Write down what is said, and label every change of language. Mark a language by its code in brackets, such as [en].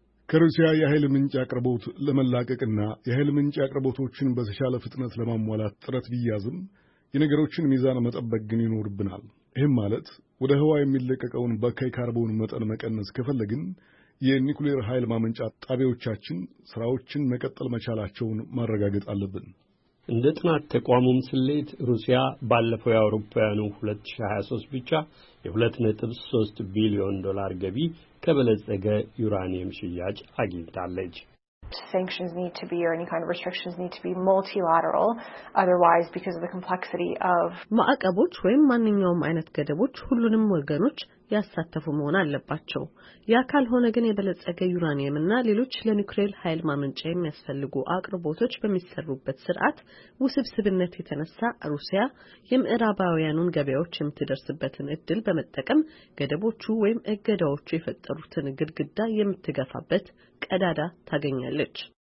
[am] ከሩሲያ የኃይል ምንጭ አቅርቦት ለመላቀቅና የኃይል ምንጭ አቅርቦቶችን በተሻለ ፍጥነት ለማሟላት ጥረት ቢያዝም የነገሮችን ሚዛን መጠበቅ ግን ይኖርብናል። ይህም ማለት ወደ ህዋ የሚለቀቀውን በካይ ካርቦን መጠን መቀነስ ከፈለግን የኒኩሌር ኃይል ማመንጫ ጣቢያዎቻችን ስራዎችን መቀጠል መቻላቸውን ማረጋገጥ አለብን። እንደ ጥናት ተቋሙም ስለይት ሩሲያ ባለፈው የአውሮፓውያኑ 2023 ብቻ የ2.3 ቢሊዮን ዶላር ገቢ ከበለጸገ ዩራኒየም ሽያጭ አግኝታለች። [en] Sanctions need to be, or any kind of restrictions need to be multilateral, otherwise because of the complexity of [am] ማዕቀቦች ወይም ማንኛውም አይነት ገደቦች ሁሉንም ወገኖች ያሳተፉ መሆን አለባቸው። ያ ካልሆነ ግን የበለጸገ ዩራኒየም እና ሌሎች ለኒውክሌር ኃይል ማመንጫ የሚያስፈልጉ አቅርቦቶች በሚሰሩበት ስርዓት ውስብስብነት የተነሳ ሩሲያ የምዕራባውያኑን ገበያዎች የምትደርስበትን እድል በመጠቀም ገደቦቹ ወይም እገዳዎቹ የፈጠሩትን ግድግዳ የምትገፋበት ቀዳዳ ታገኛለች።